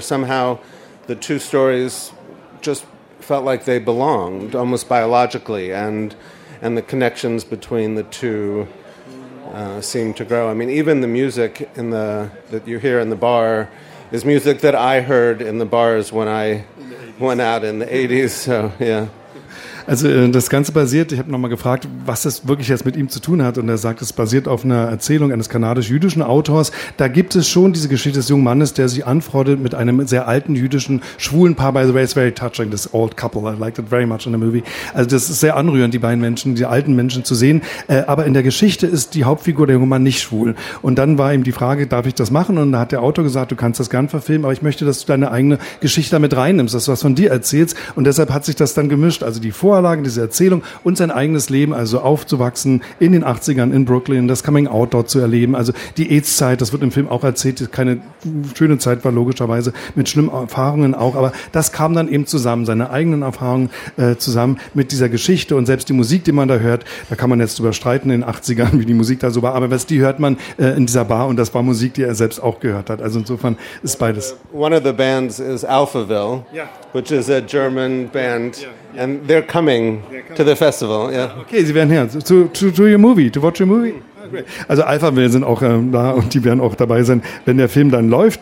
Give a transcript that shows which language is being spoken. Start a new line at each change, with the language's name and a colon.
English: Somehow the two stories just felt like they belonged almost biologically, and the connections between the two seemed to grow. I mean, even the music in the that you hear in the bar is music that I heard in the bars when I went out in the 80s. So, yeah.
German: Also das Ganze basiert, ich habe nochmal gefragt, was das wirklich jetzt mit ihm zu tun hat, und er sagt, es basiert auf einer Erzählung eines kanadisch-jüdischen Autors. Da gibt es schon diese Geschichte des jungen Mannes, der sich anfreundet mit einem sehr alten jüdischen schwulen Paar.
English: By the way, it's very touching, this old couple. I liked it very much in the movie.
German: Also das ist sehr anrührend, die beiden Menschen, die alten Menschen zu sehen. Aber in der Geschichte ist die Hauptfigur, der junge Mann, nicht schwul. Und dann war ihm die Frage, darf ich das machen? Und da hat der Autor gesagt, du kannst das gern verfilmen, aber ich möchte, dass du deine eigene Geschichte damit reinnimmst, dass du was von dir erzählst. Und deshalb hat sich das dann gemischt. Also die Vorlagen, diese Erzählung und sein eigenes Leben, also aufzuwachsen in den 80ern in Brooklyn, das Coming Out dort zu erleben, also die AIDS-Zeit, das wird im Film auch erzählt, keine schöne Zeit war logischerweise, mit schlimmen Erfahrungen auch, aber das kam dann eben zusammen, seine eigenen Erfahrungen zusammen mit dieser Geschichte, und selbst die Musik, die man da hört, da kann man jetzt drüber streiten in den 80ern, wie die Musik da so war, aber was, die hört man in dieser Bar, und das war Musik, die er selbst auch gehört hat, also insofern ist beides.
English: One of the bands is Alphaville, which is a German band, and they're coming to the festival. Yeah.
German: Okay, sie werden her.
English: To watch your movie.
German: Also Alphaville sind auch da, und die werden auch dabei sein, wenn der Film dann läuft.